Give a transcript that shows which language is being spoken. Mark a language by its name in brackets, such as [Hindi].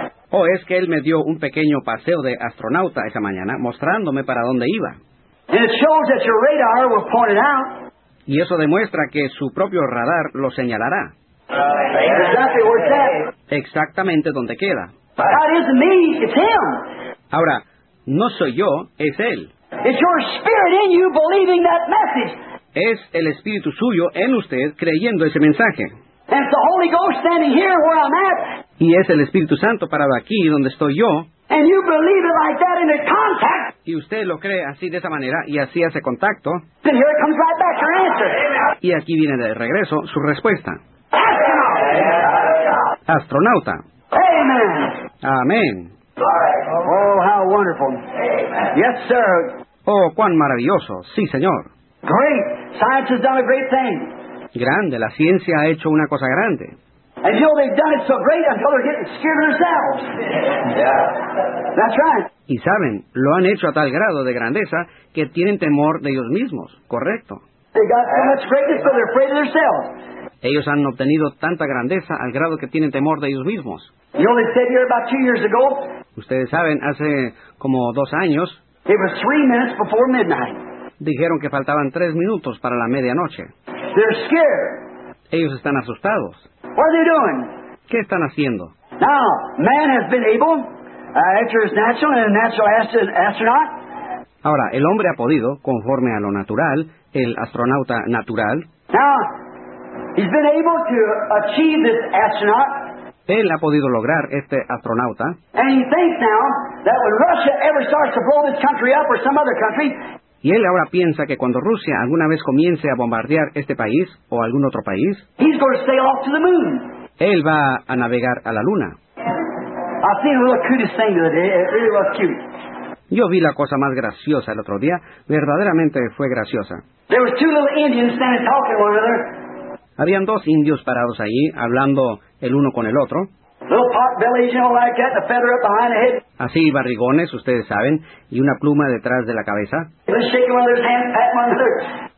[Spanish] Oh, es que él me dio un pequeño paseo de astronauta esa mañana, mostrándome para dónde iba. [English] And it shows that your radar will point it out. [Spanish] Y eso demuestra que su propio radar lo señalará. [English] Exactly where it's at. [Spanish] Exactamente donde queda. [English] That isn't me, it's him. [Spanish] Ahora, no soy yo, es él. [English] It's your spirit in you believing that message. [Spanish] Es el espíritu suyo en usted creyendo ese mensaje. [English] And it's the Holy Ghost standing here where I'm at. [Spanish] Y es el Espíritu Santo parado aquí donde estoy yo. [English] And you believe it like that in the contact. [Spanish] Y usted lo cree así de esa manera y así hace contacto. [English] Then here comes right back your answer. [Spanish] Y aquí viene de regreso su respuesta. [English] Astronaut. [Spanish] Astronauta. [English] Amen. [Spanish] Amén. [English] Oh, how wonderful. Yes, sir. [Spanish] Oh, cuán maravilloso. Sí, señor. [English] Great. Science has done a great thing. [Spanish] Grande. La ciencia ha hecho una cosa grande. [English] And you know they've done it so great until they're getting scared themselves. Yeah. That's right. [Spanish] Y saben, lo han hecho a tal grado de grandeza que tienen temor de ellos mismos. Correcto. [English] They got so much greatness that they're afraid of themselves. [Spanish] Ellos han obtenido tanta grandeza al grado que tienen temor de ellos mismos. [English] You only said here about 2 years ago. [Spanish] Ustedes saben, hace como 2 años. [English] It was 3 minutes before midnight. [Spanish] Dijeron que faltaban 3 minutos para la medianoche. [English] They're scared. [Spanish] Ellos están asustados. [English] What are they doing? [Spanish] ¿Qué están haciendo? [English] Now, man has been able, after his natural and natural astronaut. [Spanish] Ahora, el hombre ha podido, conforme a lo natural, el astronauta natural. [English] Now, he's been able to achieve this astronaut. [Spanish] Él ha podido lograr este astronauta. [English] And he thinks now that when Russia ever starts to blow this country up or some other country. [Spanish] Y él ahora piensa que cuando Rusia alguna vez comience a bombardear este país o algún otro país, [English] he's going to sail off to the moon. [Spanish] Él va a navegar a la luna. [English] I've seen a little cutest thing today. It really was cute. [Spanish] Yo vi la cosa más graciosa el otro día. Verdaderamente fue graciosa. [English] There was 2 little Indians standing talking to one another. [Spanish] Habían 2 indios parados allí hablando el uno con el otro. [English] Little pot bellies, you know, like that, and a feather up behind the head. [Spanish] Así, barrigones, ustedes saben, y una pluma detrás de la cabeza. [English] They're shaking one another's hands, patting one another.